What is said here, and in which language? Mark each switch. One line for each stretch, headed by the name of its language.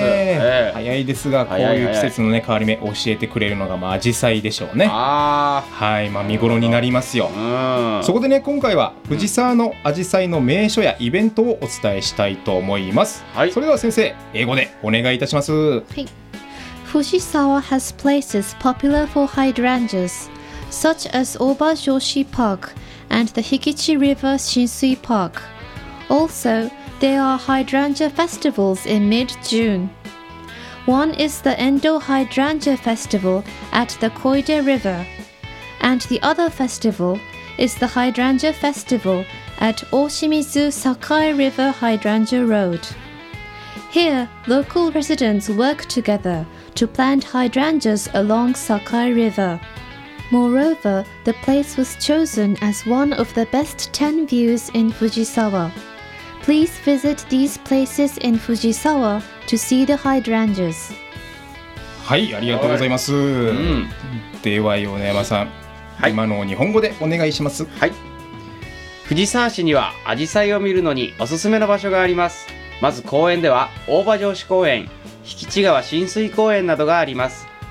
Japanese: 早いですが、こういう季節のね変わり目教えてくれるのがまあ紫陽花でしょうね。あ、はい、まあ見頃になりますよ。うん、そこでね今回は藤沢の紫陽花の名所やイベントをお伝えしたいと思います。はい、それでは先生英語でお願いいたします。はい。
English: Fujisawa has places popular for hydrangeas, such as Obajoshi Park and the Hikichi River Shinsui Park. Also, there are hydrangea festivals in mid-June. One is the Endo Hydrangea Festival at the Koide River, and the other festival is the Hydrangea Festival at Oshimizu Sakai River Hydrangea Road. Here, local residents work togetherto plant hydrangeas along Sakai River. Moreover, the place was chosen as one of the best 10 views in Fujisawa. Please visit these places in Fujisawa to see the hydrangeas.
Japanese: はい、ありがとうございます。うん、では米山さん、はい、今の日本語でお願いします。はい。藤沢市にはアジサイを見るのにおすすめの場所があります。まず公園では大場城址公園、引地川浸水公園などがあります。